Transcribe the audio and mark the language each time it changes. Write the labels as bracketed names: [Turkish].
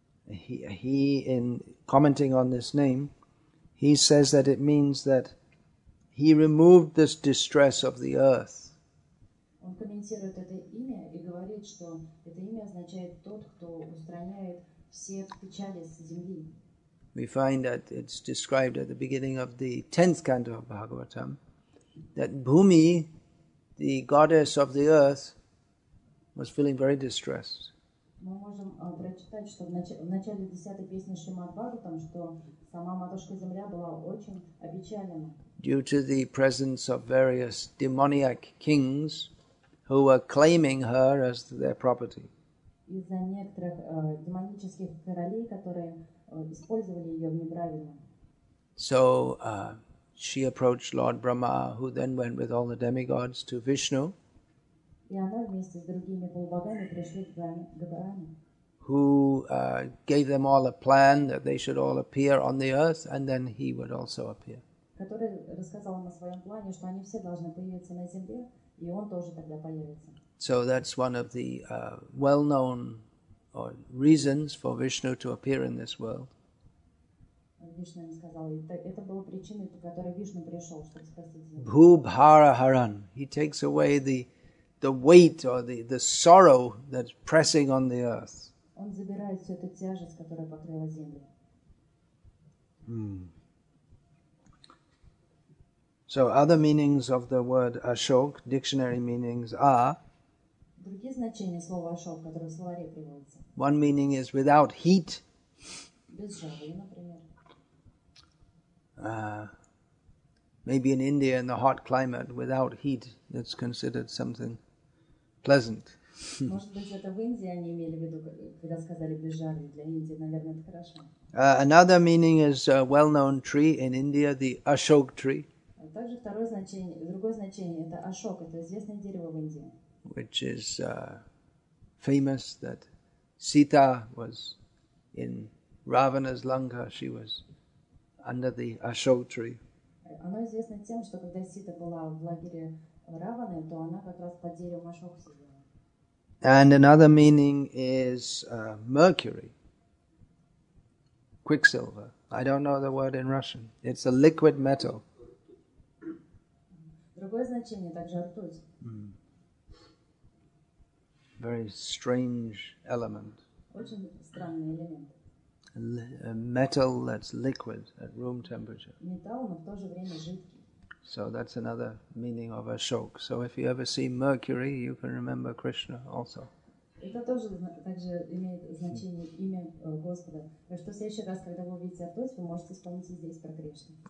[English] He, in commenting on this name, he says that it means that he removed this distress of the earth. [Russian] Он комментирует это имя и говорит, что это имя означает тот, кто устраняет все печали с земли. [English] We find that it's described at the beginning of the 10th canto of Bhagavatam, that Bhumi, the goddess of the earth, was feeling very distressed. [Russian] Мы можем прочитать, что в начале 10-й песни Шримад-Бхагаватам, что сама Матушка Земля была очень опечалена. [English] Due to the presence of various demoniac kings who were claiming her as their property. [Russian] Из-за некоторых демонических королей, которые использовали ее в неправильном. [English] So she approached Lord Brahma, who then went with all the demigods to Vishnu. [Russian] И она вместе с другими полубогами пришли к Брахме. [English] Who gave them all a plan that they should all appear on the earth and then he would also appear. [Russian] Который рассказал им о своем плане, что они все должны появиться на земле, и он тоже тогда появится. [English] So that's one of the well-known reasons for Vishnu to appear in this world. [Russian] Вишну им сказал, это было причиной, по которой Вишну пришел, чтобы спасти землю. [Sanskrit] Bhubhara-haran. [English] He takes away the weight or the sorrow that's pressing on the earth. [Russian] Он забирает всю эту тяжесть, которая покрыла землю. [English] So other meanings of the word Ashok, dictionary meanings are. [Russian] Другие значения слова Ашок, которые в словаре приводятся. [English] One meaning is without heat. [Russian] Без жары, например. [English] Maybe in India, in the hot climate, without heat, that's considered something pleasant. [Russian] Может быть, это в Индии они имели в виду, когда сказали без жары. Для Индии, наверное, это хорошо. [English] Another meaning is a well-known tree in India, the Ashok tree. [Russian] Также второе значение, другое значение – это Ашок, это известное дерево в Индии. [English] Which is famous that Sita was in Ravana's Lanka, she was under the Ashok tree. [Russian] Оно известно тем, что когда Сита была в лагере Раваны, то она как раз под деревом Ашок сидела. [English] And another meaning is mercury, quicksilver. I don't know the word in Russian. It's a liquid metal. [Russian] Другое значение также ртуть. [English] Very strange element. [Russian] Очень странный элемент. [English] A metal that's liquid at room temperature. [Russian] Металл, но в то же время жидкий. [English] So that's another meaning of Ashok. So if you ever see mercury, you can remember Krishna also. [Russian] Это тоже также имеет значение имя Господа. Так что в следующий раз, когда вы увидите ртуть, вы можете вспомнить здесь про Кришну.